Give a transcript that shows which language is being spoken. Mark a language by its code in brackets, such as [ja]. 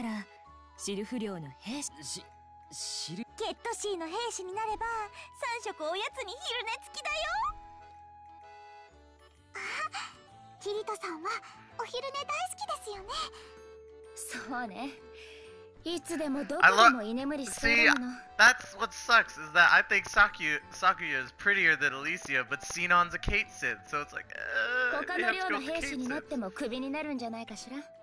[ja] 君の戦い方、戦闘能力、そして勇気は本当に素晴らしい。そこで、私としては、スバルトエリアの攻略が終わったら、シルフ寮の兵士…シル… ゲットシーの兵士になれば、3色おやつに昼寝付きだよ! あ、キリト様はお昼寝大好きですよね。そうね。いつでもどこでも居眠りするの。See, [en] that's what sucks is that I think Sakuya is prettier than Alicia, but Sinon's a Kate Sith, so it's like, [ja] ええ、他の寮の兵士になっても首になるんじゃないかしら。